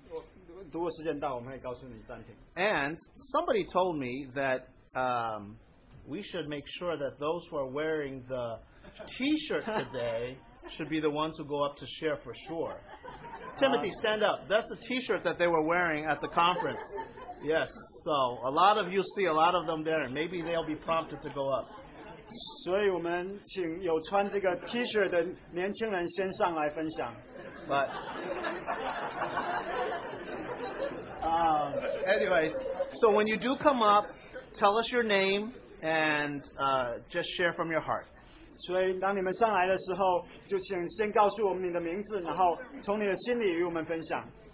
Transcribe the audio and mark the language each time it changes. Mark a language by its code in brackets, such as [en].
[zh] 我想我们不需要告诉你们只要十分钟、十五分钟，但是如果你们真的很愿意分享，我们也会，如果时间到，我们会告诉你暂停。 [en] And somebody told me that we should make sure that those who are wearing the T-shirt today should be the ones who go up to share for sure. Timothy, stand up. That's the T-shirt that they were wearing at the conference. Yes, so a lot of you see a lot of them there. Maybe they'll be prompted to go up. [zh] 所以我们请有穿这个T-shirt的年轻人先上来分享. [en] But anyways, so when you do come up, tell us your name and just share from your heart. [zh] 所以当你们上来的时候，就请先告诉我们你的名字，然后从你的心里与我们分享。